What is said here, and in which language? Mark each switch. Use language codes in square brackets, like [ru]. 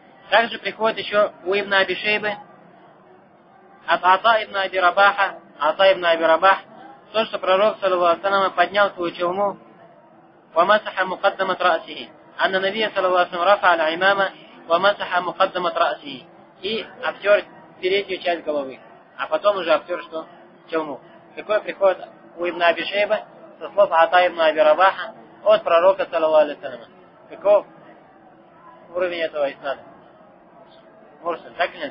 [ru] Также приходит еще у Ибн Аби Шейбы от Ата Ибн Аби Рабаха, Ата Ибн Аби Рабах, то, что пророк, саллаллаху алейхи ва саллям, поднял свою чалму [ar] ومسح مقدمة رأسه. أن النبي صلى الله عليه وسلم رفع العمامة ومسح مقدمة رأسه. [ru] И обтер переднюю часть головы. А потом уже обтер что? Челму. Такое приходит у Ибн Аби Шейба со слов Ата Ибн Аби Рабаха от пророка саллаллаху алейхи ва саллям. Каков уровень этого иснада? Мурсал. Так или нет?